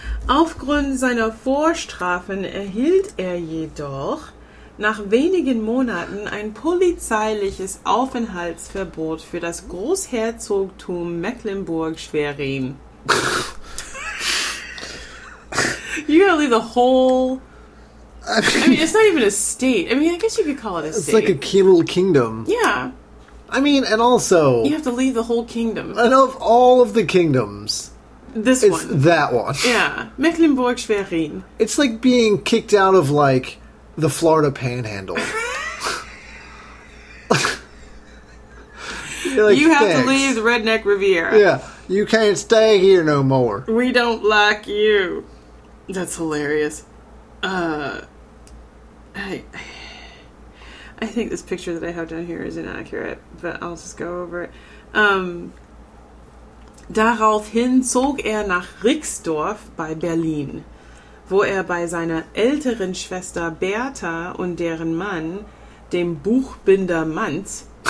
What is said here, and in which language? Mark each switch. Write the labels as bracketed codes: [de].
[de] Aufgrund seiner Vorstrafen erhielt er jedoch nach wenigen Monaten ein polizeiliches Aufenthaltsverbot für das Großherzogtum Mecklenburg-Schwerin. [en] You gotta leave the whole... I mean, it's not even a state. I mean, I guess you could call it a state. It's like a key little kingdom. Yeah. I mean, and also... You have to leave the whole kingdom. And of all of the kingdoms... This it's one. That one. Yeah. Mecklenburg-Schwerin. It's like being kicked out of, like, the Florida Panhandle. Like, you have thanks. To leave the Redneck Riviera. Yeah. You can't stay here no more. We don't like you. That's hilarious. I think this picture that I have down here is inaccurate, but I'll just go over it. [de] Daraufhin zog er nach Rixdorf bei Berlin, wo er bei seiner älteren Schwester Bertha und deren Mann, dem Buchbinder Manz,